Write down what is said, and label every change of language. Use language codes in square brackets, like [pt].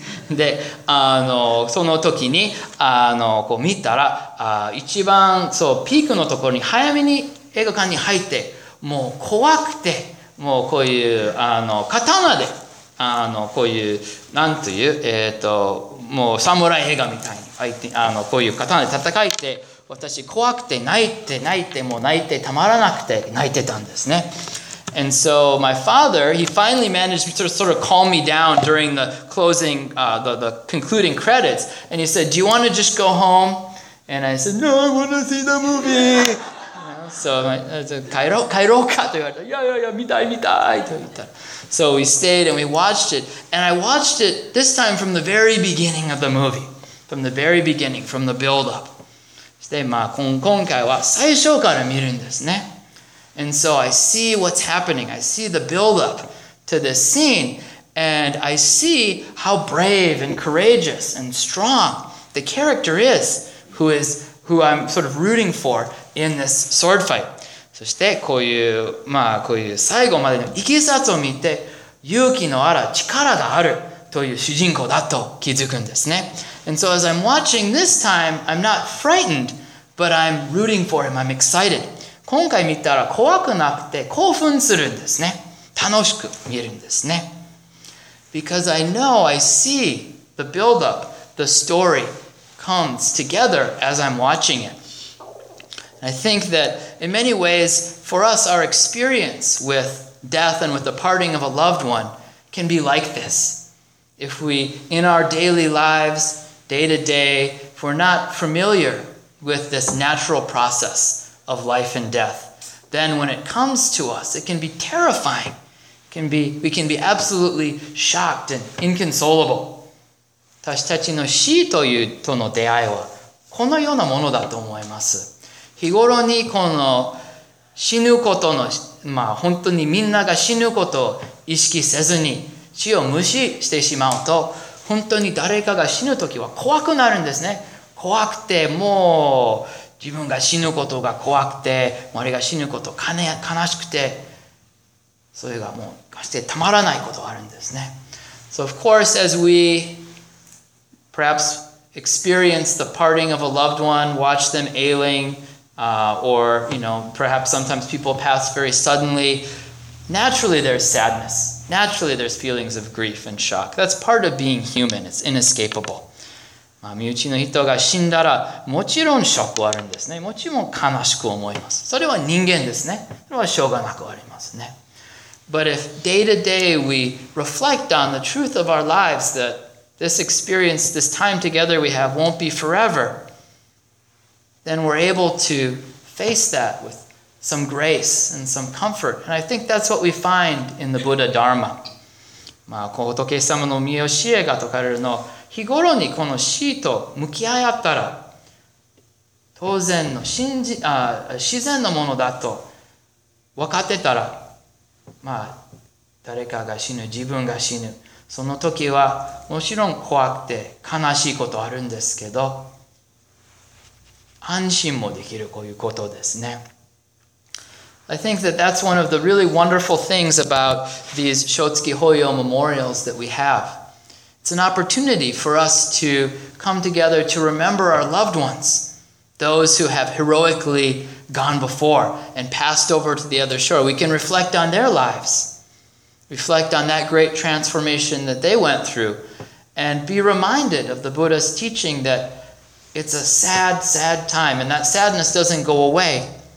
[ja] で、その時に、こう見たら、一番そうピークのところに早めに映画館に入って、もう怖くて、もうこういう刀で、こういう、なんていう、もう侍映画みたいに相手、こういう刀で戦えて、私怖くて泣いて泣いてもう泣いてたまらなくて泣いてたんですね。 [en] And so my father, he finally managed to sort of calm me down during the closing, the concluding credits. And he said, do you want to just go home? And I said, no, I want to see the movie. So I said, [ja] 帰ろうかと言われた。いや、見たい。 [en] So we stayed and we watched it. And I watched it this time from the very beginning of the movie. From the very beginning, from the build up. [ja] で、まあ、今回は最初から見るんですね。 [en] And so I see what's happening. I see the build-up to this scene. And I see how brave and courageous and strong the character is who I'm sort of rooting for in this sword fight. [ja] そしてこういう、まあ、こういう最後までのいきさつを見て、勇気のある力があるという主人公だと気づくんですね。 [en] And so as I'm watching this time, I'm not frightened, but I'm rooting for him. I'm excited. [ja] 今回見たら怖くなくて興奮するんですね。楽しく見るんですね。 [en] Because I know, I see the build-up, the story comes together as I'm watching it. And I think that in many ways, for us, our experience with death and with the parting of a loved one can be like this. If we, in our daily lives,day to day, if we're not familiar with this natural process of life and death, then when it comes to us, it can be terrifying. We can be absolutely shocked and inconsolable. [ja] 私たちの死というとの出会いはこのようなものだと思います。日頃にこの死ぬことの、まあ本当にみんなが死ぬことを意識せずに死を無視してしまうと、本当に誰かが死ぬときは怖くなるんですね。怖くて、もう自分が死ぬことが怖くて、周りが死ぬこと悲しくて、それがもうかしてたまらないことがあるんですね。 [en] So of course, as we perhaps experience the parting of a loved one, watch them ailing, or you know, perhaps sometimes people pass very suddenly, naturally there's sadness. Naturally, there's feelings of grief and shock. That's part of being human. It's inescapable. [ja] まあ、身内の人が死んだら、もちろんショックはあるんですね。もちろん悲しく思います。それは人間ですね。それはしょうがなくありますね。 [en] But if day to day we reflect on the truth of our lives, that this experience, this time together we have won't be forever, then we're able to face that withsome grace and some comfort. And I think that's what we find in the Buddha Dharma. [ja] まあ、仏様の御教えが説かれるの、日頃にこの死と向き合い合ったら、当然の自然のものだと分かってたら、まあ、誰かが死ぬ、自分が死ぬ、その時はもちろん怖くて悲しいことあるんですけど、安心もできるこういうことですね。 [en] I think that that's one of the really wonderful things about these Shotsuki Hoyo memorials that we have. It's an opportunity for us to come together to remember our loved ones, those who have heroically gone before and passed over to the other shore. We can reflect on their lives, reflect on that great transformation that they went through, and be reminded of the Buddha's teaching that it's a sad, sad time, and that sadness doesn't go away.